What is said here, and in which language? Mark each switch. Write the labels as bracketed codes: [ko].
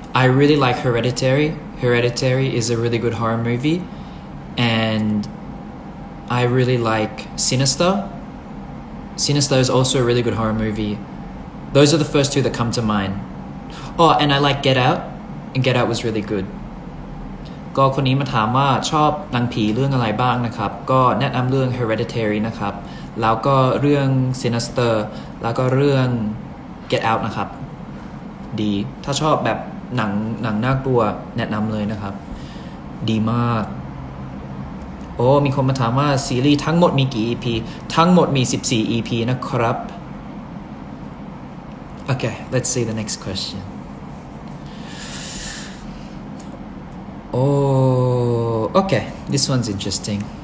[en] I really like Hereditary. Hereditary is a really good horror movie. And... I really like Sinister. Sinister is also a really good horror movie. Those are the first two that come to mind. Oh, and I like Get Out. And Get Out was really good. [th] ก็คนนี้มาถามว่าชอบหนังผีเรื่องอะไรบ้างนะครับก็แนะนำเรื่อง Hereditary นะครับแล้วก็เรื่อง Sinister แล้วก็เรื่อง Get Out นะครับดีถ้าชอบแบบหนังน่ากลัวแนะนำเลยนะครับดีมากโอ้มีคนมาถามว่าซีรีส์ทั้งหมดมีกี่ EP ทั้งหมดมี14 EP นะครับ [en] โอเค let's see the next question oh okay this one's interesting